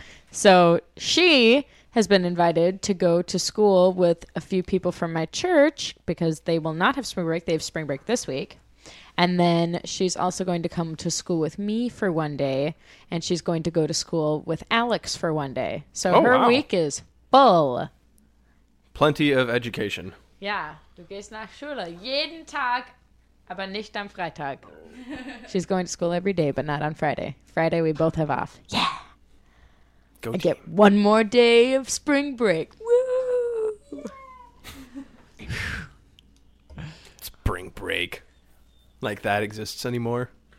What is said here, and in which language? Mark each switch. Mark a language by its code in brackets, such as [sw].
[en] So she has been invited to go to school with a few people from my church because they will not have spring break. They have spring break this week. And then she's also going to come to school with me for one day, and she's going to go to school with Alex for one day. So week is full. Plenty of education. Yeah. [de] Du gehst nach Schule jeden Tag. Aber nicht am Freitag. [en] She's going to school every day, but not on Friday. Friday, we both have off. Yeah. Go I get one more day of spring break. Woo! Spring break. Like that exists anymore?